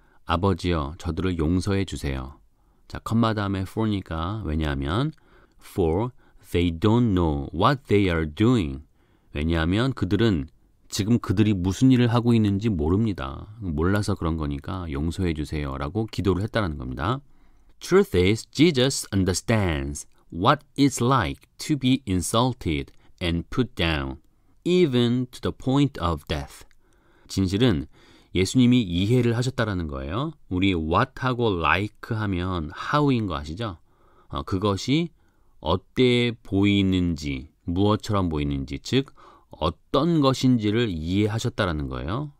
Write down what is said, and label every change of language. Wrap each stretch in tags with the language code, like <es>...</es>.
<ko>아버지여, 저들을 용서해 주세요. 자, 컴마 다음에 for니까 왜냐하면</ko> <en>for they don't know what they are doing.</en> <ko>왜냐하면 그들은 지금 그들이 무슨 일을 하고 있는지 모릅니다. 몰라서 그런 거니까 용서해 주세요 라고 기도를 했다라는 겁니다.</ko> <en>Truth is, Jesus understands what it's like to be insulted and put down, even to the point of death.</en> <ko>진실은 예수님이 이해를 하셨다라는 거예요. 우리 what하고 like 하면 how인 거 아시죠? 그것이 어때 보이는지, 무엇처럼 보이는지, 즉 어떤 것인지를 이해하셨다라는 거예요.</ko>